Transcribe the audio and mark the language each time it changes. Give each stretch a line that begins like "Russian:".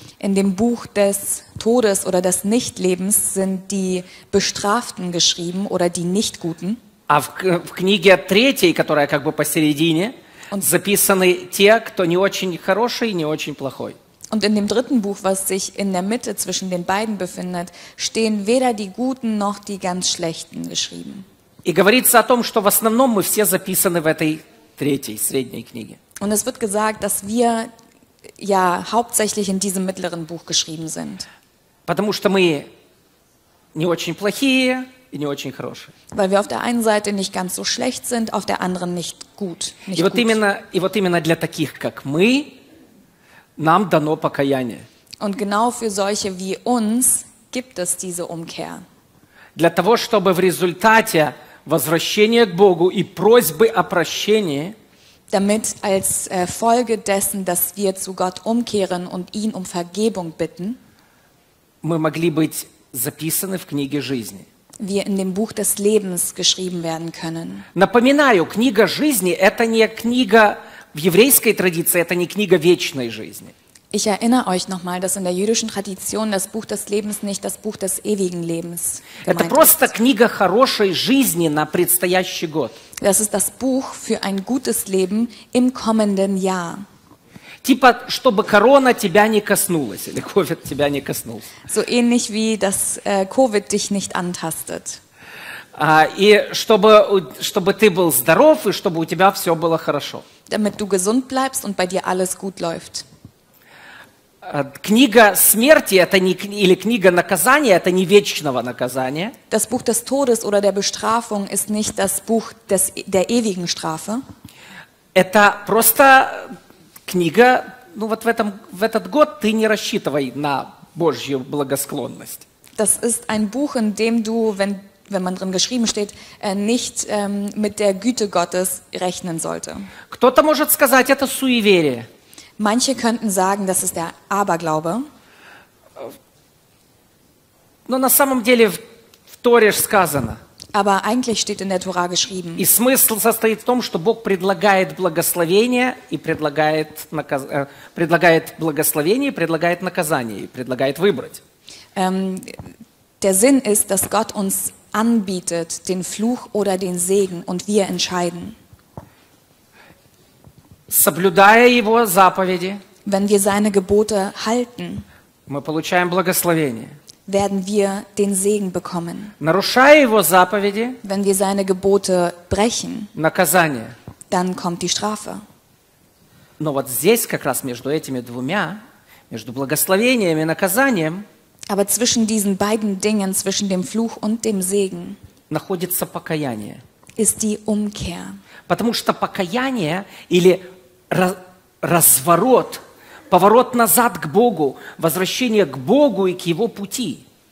German: In dem Buch des Todes oder des Nichtlebens sind die Bestraften geschrieben oder die Nichtguten.
Russian: В книге третьей, которая как бы посередине, und, записаны те, кто не очень хороший и не очень плохой.
German: Und in dem dritten Buch, was sich in der Mitte zwischen den beiden befindet, stehen weder die Guten noch die ganz Schlechten geschrieben.
Russian: И говорится о том, что в основном мы все записаны в этой третьей, средней книге.
German: Und es wird gesagt, dass wir ja hauptsächlich in diesem mittleren Buch geschrieben sind.
Russian: Потому что мы не очень плохие и не очень хорошие.
German: Weil wir auf der einen Seite nicht ganz so schlecht sind, auf der anderen nicht gut.
Russian: Именно для таких, как мы, нам дано покаяние.
German: Und genau für solche wie uns gibt es diese Umkehr.
Russian: Для того, чтобы в результате возвращения к Богу и просьбы о прощении,
German: damit als Folge dessen, dass wir zu Gott umkehren und ihn um Vergebung bitten,
Russian: мы могли быть записаны в книге жизни.
German: Wir in dem Buch des Lebens geschrieben werden können.
Russian: Напоминаю, книга жизни – это не книга в еврейской традиции, это не книга вечной жизни.
German: Ich erinnere euch nochmal, dass in der jüdischen Tradition das Buch des Lebens nicht das Buch des ewigen Lebens gemeint ist.
Russian: Просто книга хорошей жизни на предстоящий год.
German: Das ist das Buch für ein gutes Leben im kommenden Jahr.
Russian: Типа, чтобы корона тебя не коснулась, или COVID тебя не коснулся.
German: So ähnlich wie das COVID dich nicht antastet.
Russian: И чтобы ты был здоров и чтобы у тебя все было хорошо.
German: Damit du gesund bleibst und bei dir alles gut läuft.
Russian: Книга смерти это не или книга наказания это не вечного наказания.
German: Das Buch des Todes oder der Bestrafung ist nicht das Buch des der ewigen Strafe.
Russian: Это просто книга, ну вот в этот год ты не рассчитывай на Божью благосклонность.
German: Das ist ein Buch, in dem du, wenn man drin geschrieben steht, nicht mit der Güte Gottes rechnen sollte.
Russian: Кто-то может сказать, это суеверие.
German: Manche könnten sagen, das ist der Aberglaube.
Russian: Но на самом деле в Торе сказано.
German: Aber eigentlich steht in der Tora geschrieben.
Russian: И смысл состоит в том, что Бог предлагает благословение и предлагает благословение, предлагает наказание и предлагает выбрать.
German: Der Sinn ist, dass Gott uns anbietet den Fluch oder den Segen und wir entscheiden.
Russian: Соблюдая его заповеди,
German: wenn wir seine Gebote halten,
Russian: мы получаем благословение.
German: Werden wir den Segen bekommen.
Russian: Нарушая его заповеди,
German: wenn wir seine Gebote brechen,
Russian: наказание.
German: Dann kommt die Strafe.
Russian: Но вот здесь как раз между этими двумя, между благословениями и наказанием,
German: aber zwischen diesen beiden Dingen, zwischen dem Fluch und dem Segen,
Russian: находится покаяние.
German: Ist die Umkehr.
Russian: Потому что покаяние или разворот, поворот назад к Богу, возвращение к Богу и к Его пути.